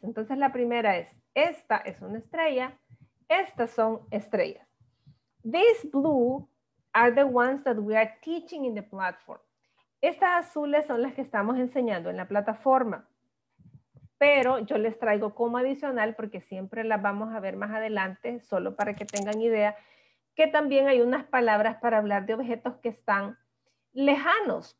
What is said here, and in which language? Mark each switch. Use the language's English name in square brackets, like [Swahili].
[Spanish] Entonces la primera es, esta es una estrella, estas son estrellas. [English] These blue are the ones that we are teaching in the platform. [Spanish] Estas azules son las que estamos enseñando en la plataforma. Pero yo les traigo como adicional, porque siempre las vamos a ver más adelante, solo para que tengan idea, que también hay unas palabras para hablar de objetos que están lejanos.